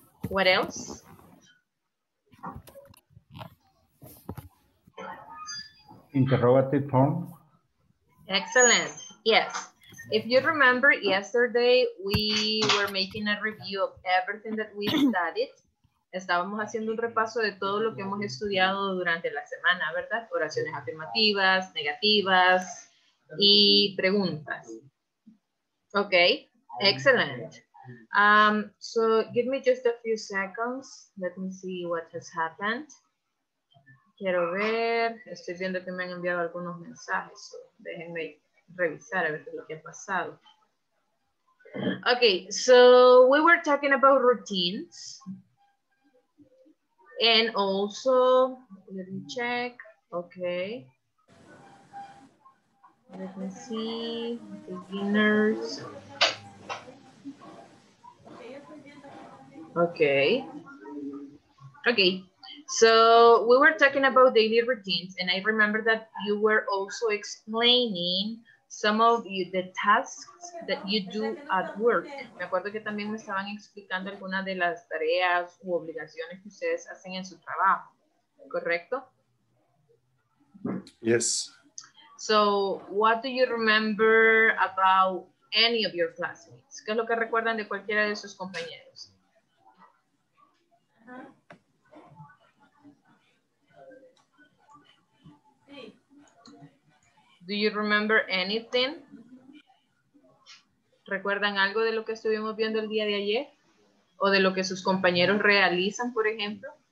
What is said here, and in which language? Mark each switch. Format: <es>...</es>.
<en>What else? Interrogative form. Excellent, yes. If you remember, yesterday we were making a review of everything that we studied.</en> <es>Estábamos haciendo un repaso de todo lo que hemos estudiado durante la semana, ¿verdad? Oraciones afirmativas, negativas y preguntas.</es> <en>Okay, excellent. So give me just a few seconds. Let me see what has happened.</en> <es>Quiero ver, estoy viendo que me han enviado algunos mensajes. So déjenme revisar a ver qué es lo que ha pasado.</es> <en>Okay, so we were talking about routines. And also, let me check, okay. Let me see, beginners. Okay. Okay, so we were talking about daily routines and I remember that you were also explaining some of you, the tasks that you do at work.</en> <es>Me acuerdo que también me estaban explicando algunas de las tareas u obligaciones que ustedes hacen en su trabajo, ¿correcto?</es> <en>Yes. So, what do you remember about any of your classmates?</en> <es>¿Qué es lo que recuerdan de cualquiera de sus compañeros?</es> <en>Do you remember anything?</en> <es>¿Recuerdan algo de lo que estuvimos viendo el día de ayer? ¿O de lo que sus compañeros realizan, por ejemplo?</es>